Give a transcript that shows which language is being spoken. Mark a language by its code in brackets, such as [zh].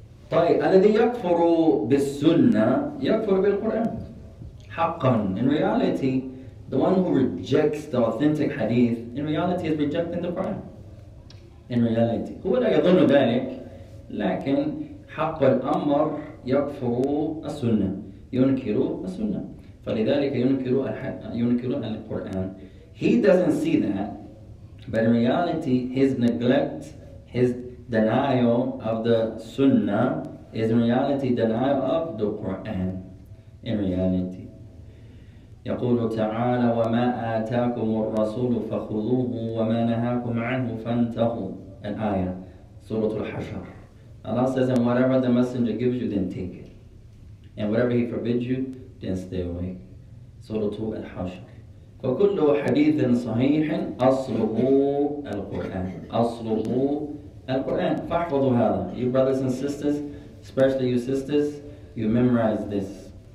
[ar] طيب الذي يكفر بالسنة يكفر بالقرآن. حقا. [en] In reality, the one who rejects the authentic hadith, in reality is rejecting the Quran. In reality. [ar] هو لا يظن ذلك. لكن حق الأمر يكفر السنة. ينكر السنة. فلذلك ينكر القرآن. [en] He doesn't see that. But in reality, his neglect, his denial of the Sunnah is in reality denial of the Quran. In reality. [ar] يقول تعالى وما آتاكم الرسول فخذوه وما نهاكم عنه فانتهوا. [en] An ayah, Surah Al-Hashr. Allah says, and whatever the Messenger gives you, then take it. And whatever He forbids you, then stay away. Surah Al-Hashr. [ar] فكل حديث صحيح أصله القرآن. أصله القرآن. فاحفظوا هذا. [en] You brothers and sisters, especially you sisters, you memorize this.